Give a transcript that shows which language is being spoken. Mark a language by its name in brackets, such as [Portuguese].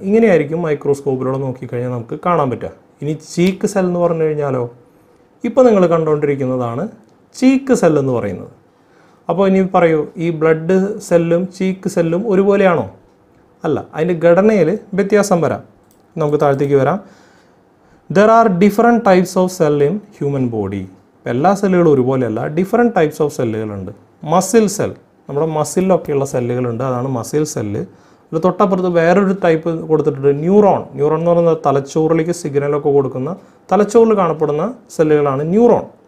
[Malayalam] ഇങ്ങനെയായിരിക്കും മൈക്രോസ്കോപ്പിലൂടെ നോക്കിക്കഴിഞ്ഞാൽ നമുക്ക് കാണാൻ പറ്റുക. ഇനി ചീക്ക് സെൽ എന്ന് പറഞ്ഞു കഴിഞ്ഞാലോ, ഇപ്പോൾ നിങ്ങൾ കണ്ടുകൊണ്ടിരിക്കുന്നതാണ് ചീക്ക് സെൽ എന്ന് പറയുന്നത്. അപ്പോൾ ഇനി പറയൂ, ഈ ബ്ലഡ് സെല്ലും ചീക്ക് സെല്ലും ഒരുപോലെയാണോ? അല്ല, അതിൻ്റെ ഘടനയിൽ വ്യത്യാസം വരാം. നമുക്ക് താഴത്തേക്ക് വരാം. [English] There are different types of cell in human body. [Malayalam] ഇപ്പോൾ എല്ലാ സെല്ലുകളും ഒരുപോലെയല്ല, [English] different types of [Malayalam] സെല്ലുകളുണ്ട്. Muscle cell, നമ്മുടെ മസിലൊക്കെയുള്ള സെല്ലുകളുണ്ട്, അതാണ് മസിൽ സെല്ല്. അതിൽ തൊട്ടപ്പുറത്ത് വേറൊരു ടൈപ്പ് കൊടുത്തിട്ടുണ്ട്, ന്യൂറോൺ. ന്യൂറോൺ എന്ന് പറയുന്നത് തലച്ചോറിലേക്ക് സിഗ്നലൊക്കെ കൊടുക്കുന്ന, തലച്ചോറിൽ കാണപ്പെടുന്ന സെല്ലുകളാണ് ന്യൂറോൺ.